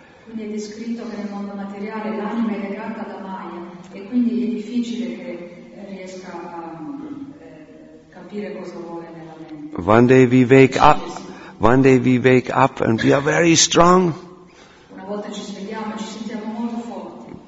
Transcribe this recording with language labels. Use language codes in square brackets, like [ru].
[it] Quindi è descritto che nel mondo materiale l'anima è legata alla Maya e quindi è difficile che riesca a capire cosa vuole nella mente. [en] One day we wake up and we are very strong. [it] Una volta ci svegliamo ci sentiamo molto forti.